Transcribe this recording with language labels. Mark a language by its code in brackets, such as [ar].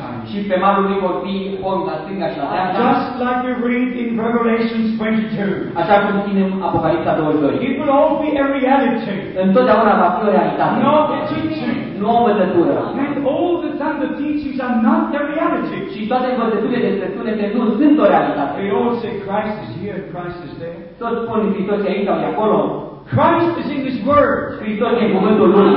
[ro] Și pe malul lui vor fi pomi la stânga și la dreapta. [en] Just like we read in Revelation 22. [ro] Așa cum citim Apocalipsa 22. [en] It will all be a reality. [ro] Întotdeauna va fi o realitate. [en] No teaching. [ro] Nu o învățătură. [en] And all the time the teachings are not the reality. [ro] Și toate învățăturile despre sunete nu sunt o realitate. [en] They all say Christ is here, Christ is there. [ro] Toți spun Hristos e aici sau e acolo. [en] Christ is in His Word. [ro] Cristo este în cuvântul Lui.